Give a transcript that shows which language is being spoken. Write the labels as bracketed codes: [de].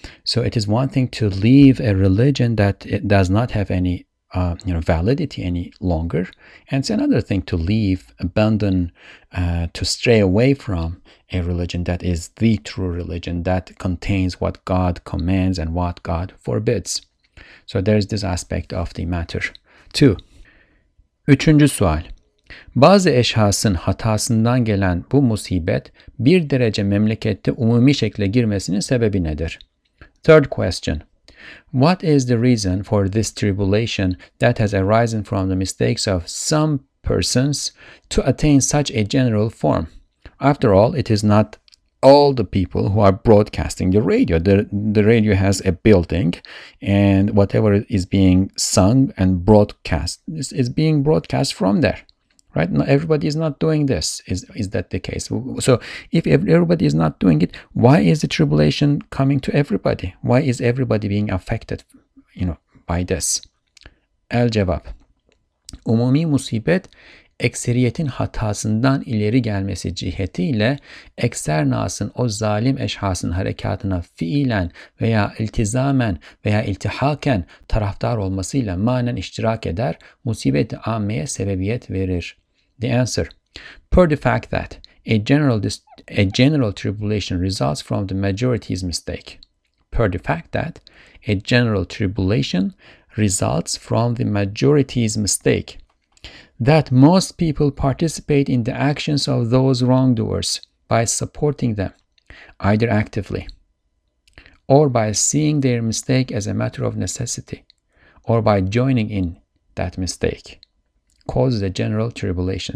[en] So it is one thing to leave a religion that it does not have any validity any longer. And it's another thing to leave, abandon, to stray away from a religion that is the true religion that contains what God commands and what God forbids. So there's this aspect of the matter too. [tr] Üçüncü sual. Bazı eşhasın hatasından gelen bu musibet bir derece memlekette umumi şekle girmesinin sebebi nedir? [en] Third question. What is the reason for this tribulation that has arisen from the mistakes of some persons to attain such a general form? After all, it is not all the people who are broadcasting the radio. The radio has a building, and whatever is being sung and broadcast is being broadcast from there. Right? Now, everybody is not doing this. Is that the case? So if everybody is not doing it, why is the tribulation coming to everybody? Why is everybody being affected, by this? [tr] El cevap. Umumi musibet, ekseriyetin hatasından ileri gelmesi cihetiyle eksternasın o zalim eşhasın harekatına fiilen veya iltizamen veya iltihaken taraftar olmasıyla manen iştirak eder, musibeti ammeye sebebiyet verir. [en] The answer. Per the fact that a general tribulation results from the majority's mistake. Per the fact that a general tribulation results from the majority's mistake. That most people participate in the actions of those wrongdoers by supporting them, either actively, or by seeing their mistake as a matter of necessity, or by joining in that mistake, causes a general tribulation.